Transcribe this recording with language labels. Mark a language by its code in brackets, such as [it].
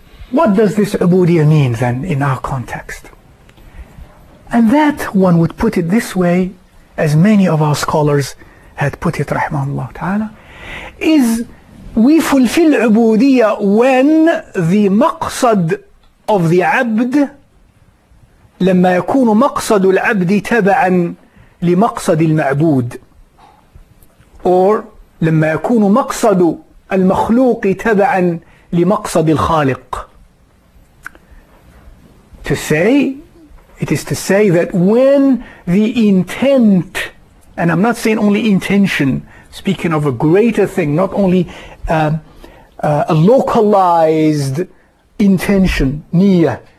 [en] What does this ubudiyyah mean then in our context? And that one would put it this way, as many of our scholars had put it, rahmanullah ta'ala, is we fulfill ubudiyyah when the maqsad of the abd [ar] لما يكون مقصد العبد تبعا لمقصد المعبود [en] or [ar] لما يكون مقصد المخلوق تبعا لمقصد الخالق. [en] It is to say that when the intent, and I'm not saying only intention, speaking of a greater thing, not only a localized intention, niyyah.